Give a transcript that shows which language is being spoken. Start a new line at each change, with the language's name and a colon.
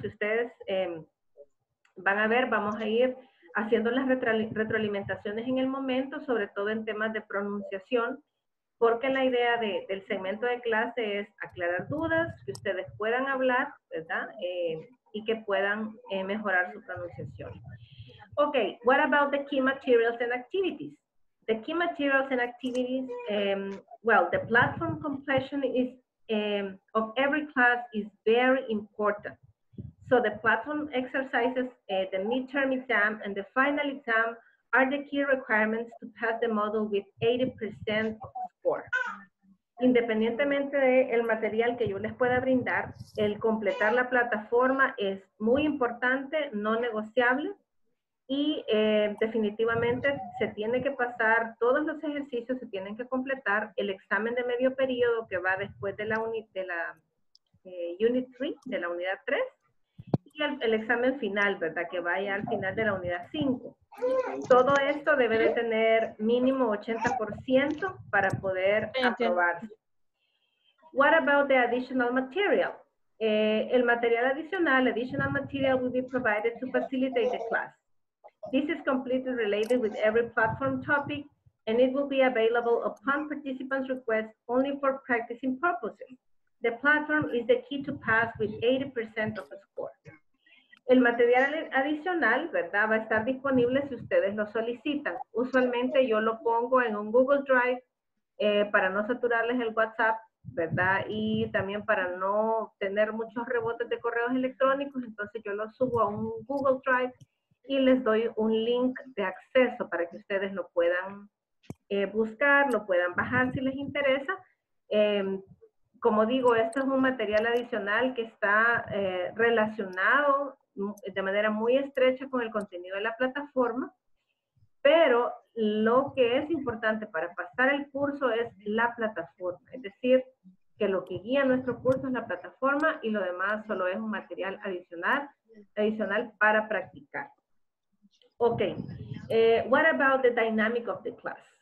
Spanish: Si ustedes van a ver, vamos a ir haciendo las retroalimentaciones en el momento, sobre todo en temas de pronunciación, porque la idea del segmento de clase es aclarar dudas, que ustedes puedan hablar, ¿verdad? Y que puedan mejorar su pronunciación.
English: Ok, what about the key materials and activities? The key materials and activities, well, the platform completion is of every class is very important. So the platform exercises, the midterm exam, and the final exam are the key requirements to pass the module with 80% of the score.
Spanish: Independientemente del material que yo les pueda brindar, el completar la plataforma es muy importante, no negociable. Y definitivamente se tiene que pasar, todos los ejercicios se tienen que completar, el examen de medio periodo que va después de unit 3, de la unidad 3, y el examen final, ¿verdad? Que vaya al final de la unidad 5. Todo esto debe de tener mínimo 80% para poder aprobarse.
English: What about the additional material?
Spanish: El material adicional,
English: additional material will be provided to facilitate the class. This is completely related with every platform topic, and it will be available upon participants' request only for practicing purposes. The platform is the key to pass with 80% of the score.
Spanish: El material adicional, ¿verdad?, va a estar disponible si ustedes lo solicitan. Usualmente yo lo pongo en un Google Drive para no saturarles el WhatsApp, ¿verdad?, y también para no tener muchos rebotes de correos electrónicos, entonces yo lo subo a un Google Drive y les doy un link de acceso para que ustedes lo puedan buscar, lo puedan bajar si les interesa. Como digo, esto es un material adicional que está relacionado de manera muy estrecha con el contenido de la plataforma, pero lo que es importante para pasar el curso es la plataforma, es decir, que lo que guía nuestro curso es la plataforma y lo demás solo es un material adicional para practicar.
English: Ok, what about the dynamic of the class?